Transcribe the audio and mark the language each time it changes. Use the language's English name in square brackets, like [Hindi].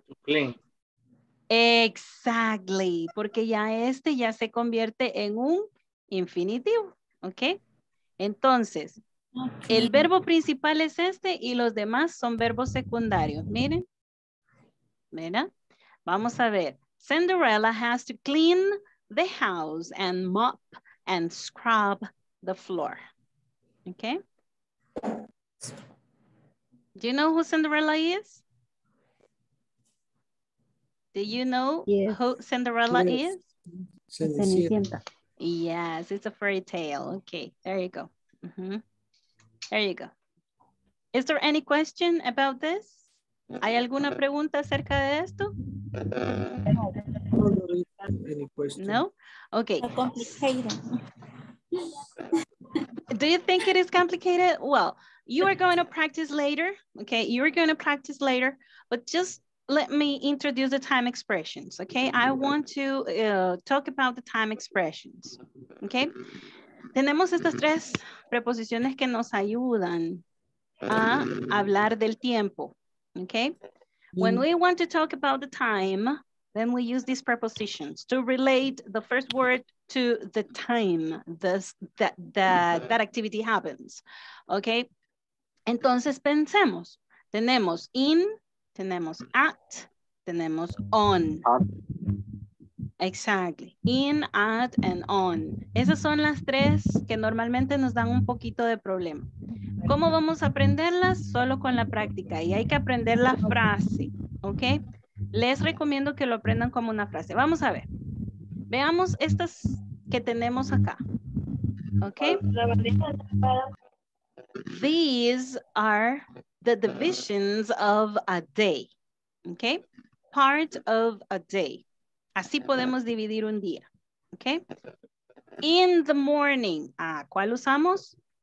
[English] Clean. Exactly. [Spanish] Porque ya este ya se convierte en un infinitivo. ¿Ok? Entonces, el verbo principal es este y los demás son verbos secundarios. Miren. Mira. Vamos a ver. [English] Cinderella has to clean the house and mop and scrub the floor. ¿Ok? Do you know who Cinderella is? Do you know who Cinderella is? [Spanish] Cenicienta. [English] Yes, it's a fairy tale. Okay, there you go. Mm-hmm. There you go. Is there any question about this? [Spanish] ¿Hay alguna pregunta acerca de esto? [English] No? Okay. Complicated. Do you think it is complicated? Well, you are going to practice later, okay? You're going to practice later, but just let me introduce the time expressions, okay? I want to talk about the time expressions, okay? [Spanish] Tenemos estas tres preposiciones que nos ayudan a hablar del tiempo, okay? [English] When we want to talk about the time, then we use these prepositions to relate the first word to the time that activity happens, okay? [Spanish] Entonces pensemos, tenemos in, tenemos at, tenemos on. Exactly, in, at, and on. Esas son las tres que normalmente nos dan un poquito de problema. ¿Cómo vamos a aprenderlas? Solo con la práctica, y hay que aprender la frase, ¿ok? Les recomiendo que lo aprendan como una frase. Vamos a ver, veamos estas que tenemos acá, ¿ok? [English] These are the divisions of a day, okay? Part of a day. [Spanish] Así podemos dividir un día, okay? [English] In the morning. [Spanish] Ah, ¿cuál usamos?